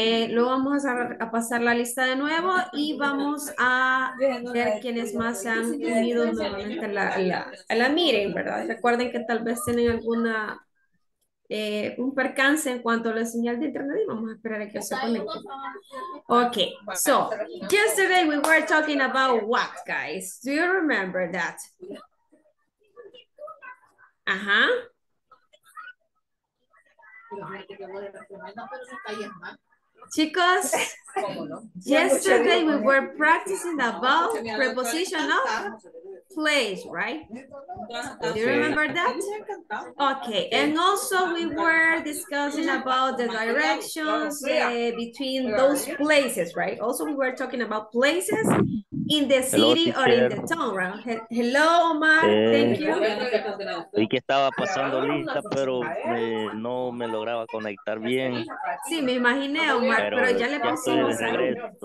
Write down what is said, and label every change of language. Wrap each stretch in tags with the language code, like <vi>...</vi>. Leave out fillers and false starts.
<es>Luego vamos a pasar la lista de nuevo y vamos a ver quiénes más se han unido nuevamente a la meeting, ¿verdad? Recuerden que tal vez tienen alguna un percance en cuanto a la señal de internet y vamos a esperar a que se conecte.</es> <en>Okay, so yesterday we were talking about what, guys? Do you remember that? Ajá. Chicos, yesterday we were practicing about preposition of place, right? Do you remember that? Okay, and also we were discussing about the directions between those places, right? Also, we were talking about places in the city or in the town, right? Hello, Omar, thank you.</en> <es>Vi que estaba pasando lista, pero no me lograba conectar bien. Sí, me imaginé, Omar, pero ya le pusimos ahí.</es>